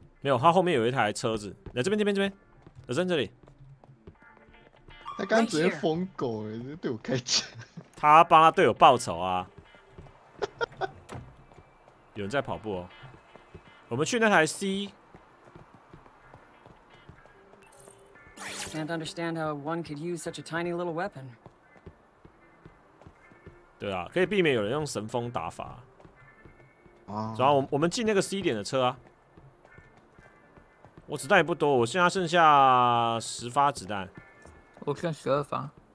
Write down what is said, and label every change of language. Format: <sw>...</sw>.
<zh>没有，他后面有一台车子，来这边，这边，这边，我站这里。他刚直接疯狗哎、欸，对我开枪。他帮他队友报仇啊。有人在跑步哦，我们去那台 C。</zh> <en>Can't understand how one could use such a tiny little weapon.</en> <zh>对啊，可以避免有人用神风打法。啊，然后我们进那个 C 点的车啊。我子弹也不多，我现在剩下十发子弹。我剩十二发。</zh>